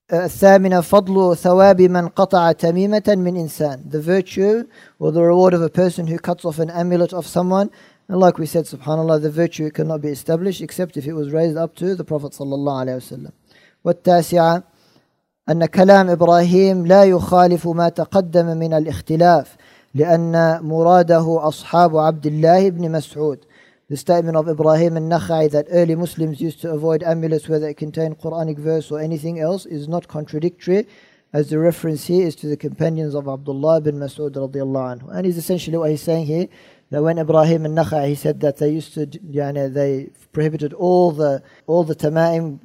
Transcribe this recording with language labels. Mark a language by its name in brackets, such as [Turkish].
[Arabic] الثامنة فضل ثواب من قطع تميمة من إنسان. [English] The virtue or the reward of a person who cuts off an amulet of someone. And like we said, subhanAllah, the virtue cannot be established except if it was raised up to the Prophet صلى الله عليه وسلم. [Arabic] والتاسعة أن كلام إبراهيم لا يخالف ما تقدم من الاختلاف لأن مراده أصحاب عبد الله بن مسعود. [English] the statement of Ibrahim al-Nakhai that early Muslims used to avoid amulets whether it contained Quranic verse or anything else is not contradictory, as the reference here is to the companions of Abdullah bin Mas'ud radiallahu anhu. And he's essentially what he's saying here, that when Ibrahim al-Nakhai, he said that they used to, yani, they prohibited all the tama'im.